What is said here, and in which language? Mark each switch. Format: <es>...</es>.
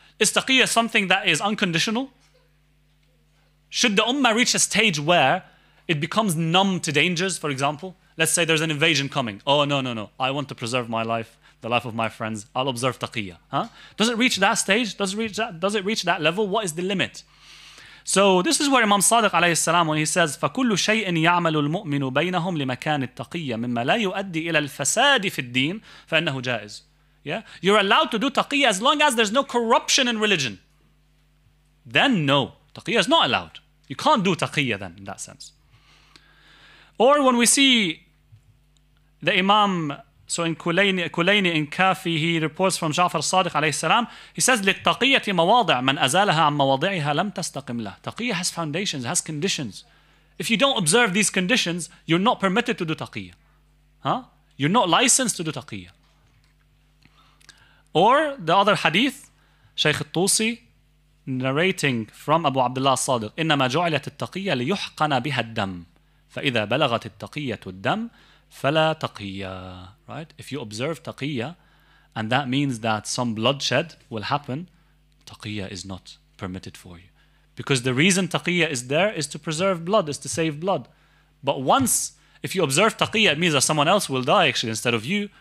<en>Is taqiyya something that is unconditional? Should the ummah reach a stage where it becomes numb to dangers, for example? Let's say there's an invasion coming. Oh, no. I want to preserve my life, the life of my friends. I'll observe taqiyya. Huh? Does it reach that stage? Does it reach that level? What is the limit? So this is where Imam Sadiq alayhi salam, when he says,</en> <ar>فَكُلُّ شَيْءٍ يَعْمَلُ الْمُؤْمِنُ بَيْنَهُمْ لِمَكَانِ التَّقِيَّ مِمَّا لَا يُؤَدِّي إِلَى الْفَسَادِ فِي الدِّينِ فَإِنَّهُ جَائِزُ.</ar> <en>Yeah? You're allowed to do taqiyya as long as there's no corruption in religion. Then no, taqiyya is not allowed. You can't do taqiyya then in that sense. Or when we see the Imam, so in Kulayni in Kafi, he reports from Ja'far Sadiq alayhi salam, he says,</en> <ar>لِلْتَقِيَّةِ مَوَاضِعَ مَنْ أَزَالَهَا عَمْ مَوَاضِعِهَا لَمْ تَسْتَقِمْ لَهُ.</ar> <en>Taqiyya has foundations, has conditions. If you don't observe these conditions, you're not permitted to do taqiyya. Huh? You're not licensed to do taqiyya. Or the other hadith, Shaykh al-Tusi narrating from Abu Abdullah Sadiq,</en> <ar>إِنَّمَا جُعِلَتِ التَّقِيَّةِ لِيُحْقَنَ بِهَا الدَّمْ فَإِذَا بَلَغَتِ التَّقِيَّةُ الدَّمْ فَلَا تَقِيَّةُ.</ar> <en>Right? If you observe taqiyya, and that means that some bloodshed will happen, taqiyya is not permitted for you. Because the reason taqiyya is there is to preserve blood, is to save blood. But once, if you observe taqiyya, it means that someone else will die actually instead of you.</en>